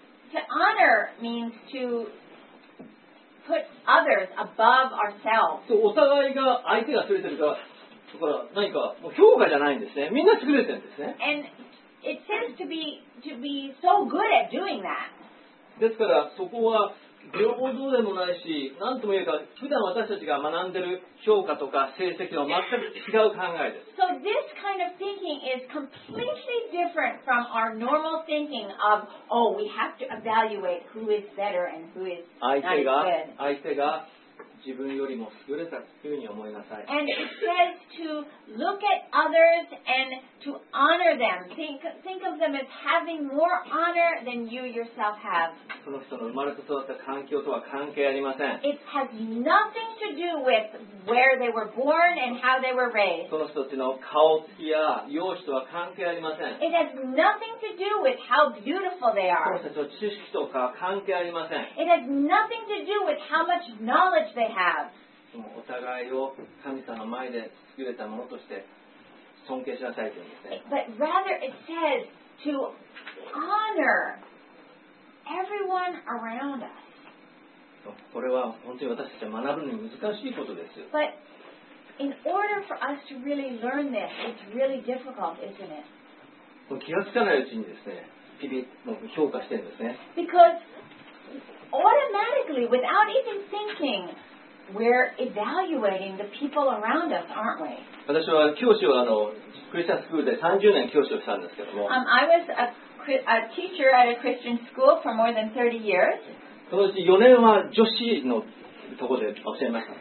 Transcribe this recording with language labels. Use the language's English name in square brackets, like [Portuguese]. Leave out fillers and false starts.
[English] To honor means to put others above ourselves. [Japanese] そう、お互いが相手が優れてるから、何かもう評価じゃないんですね。みんな優れてるんですね。 [English] And it seems to be so good at doing that. [Japanese] ですから、そこは、平等でもないし、何とも言えば、普段私たちが学んでる評価とか成績は全く違う考えです。 [English] So this kind of thinking is completely different from our normal thinking of, oh, we have to evaluate who is better and who is not good. [Japanese] 相手が自分よりも優れたというふうに思いなさい。 [English] And it says to look at others and to honor them. Think of them as having more honor than you yourself have. [Japanese] その人の生まれて育った環境とは関係ありません。 [English] It has nothing to do with where they were born and how they were raised. [Japanese] その人たちの顔つきや容姿とは関係ありません。 [English] It has nothing to do with how beautiful they are. [Japanese] その人たちの知識とか関係ありません。 [English] It has nothing to do with how much knowledge they have. [Japanese] お互いを神様の前で優れたものとして尊敬しなさいと言うんですね。 [English] But rather it says to honor everyone around us. [Japanese] これは本当に私たちが学ぶのに難しいことですよ。 [English] But in order for us to really learn this, it's really difficult, isn't it? [Japanese] 気がつかないうちにですね、日々の評価してるんですね。 [English] Because automatically, without even thinking,We're evaluating the people around us, aren't we? [Japanese] 私は教師をクリスチャンスクールで30年教師をしたんですけども。 [English] I was a teacher at a Christian school for more than 30 years. [Japanese] そのうち4年は女子のところで教えました。